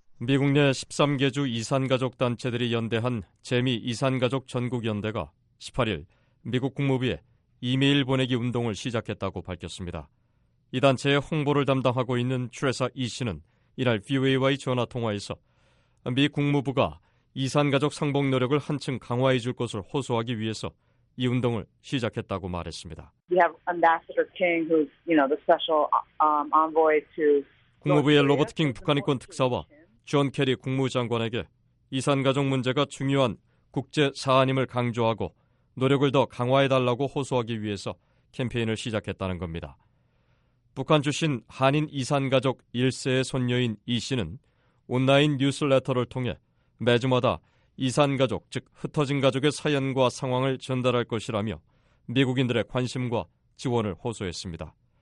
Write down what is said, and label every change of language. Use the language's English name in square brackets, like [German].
[Korean] 미국 내 13개 주 이산가족 단체들이 연대한 재미 이산가족 전국연대가 18일 미국 국무부에 이메일 보내기 운동을 시작했다고 밝혔습니다. 이 단체의 홍보를 담당하고 있는 트레사 이 씨는 이날 VOA와의 전화통화에서 미 국무부가 이산가족 상봉 노력을 한층 강화해 줄 것을 호소하기 위해서 이 운동을 시작했다고 말했습니다. [English] We have Ambassador King, who's, you know, the special envoy to [Korean] 국무부의 로버트 킹 북한인권 특사와 존 케리 국무장관에게 이산가족 문제가 중요한 국제 사안임을 강조하고 노력을 더 강화해달라고 호소하기 위해서 캠페인을 시작했다는 겁니다. 북한 출신 한인 이산가족 1세의 손녀인 이 씨는 온라인 뉴스레터를 통해 매주마다 이산가족, 즉 흩어진 가족의 사연과 상황을 전달할 것이라며 미국인들의 관심과 지원을 호소했습니다.